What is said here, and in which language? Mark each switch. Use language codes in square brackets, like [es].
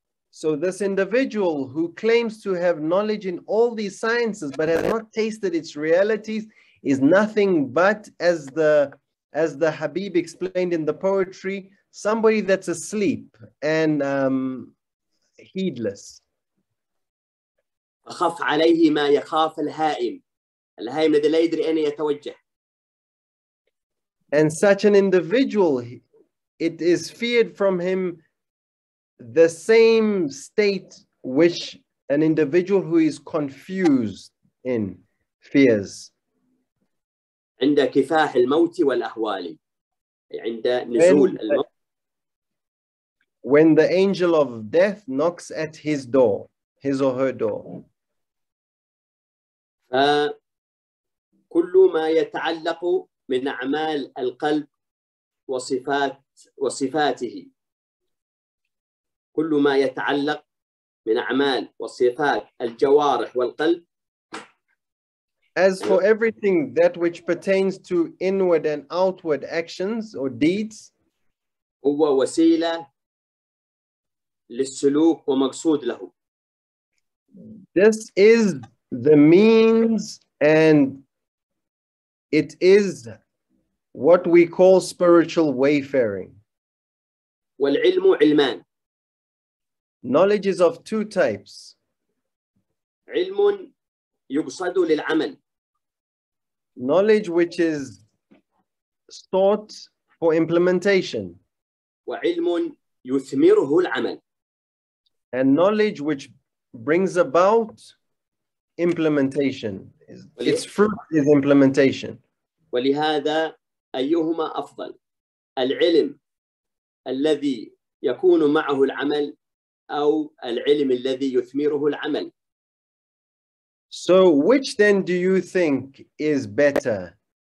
[en] So this individual who claims to have knowledge in all these sciences, but has not tasted its realities, is nothing but as the Habib explained in the poetry, somebody that's asleep and heedless. [ar] أخف عليه ما يخاف الهائم. الهائم الذي لا يدري أين يتوجه. [en] And such an individual, it is feared from him the same state which an individual who is confused in fears. [ar] عند كفاح الموت والأهوال عند نزول الموت. [en] When the angel of death knocks at his door, his or her door. [ar] كل ما يتعلق من أعمال القلب وصفاته. كل ما يتعلق من أعمال وصفات الجوارح والقلب. [en] As for everything that which pertains to inward and outward actions or deeds. [ar] هو وسيلة للسلوك ومقصود له. [en] This is the means and it is what we call spiritual wayfaring. [ar] والعلم علمان. [en] Knowledge is of two types. [ar] علم يقصد للعمل. [en] Knowledge which is sought for implementation. [ar] وعلم يثمره العمل. [en] And knowledge which brings about implementation. Its fruit is implementation. [ar] ولهذا أيهما أفضل؟ العلم الذي يكون معه العمل أو العلم الذي يثمره العمل؟ [en] So which then do you think is better?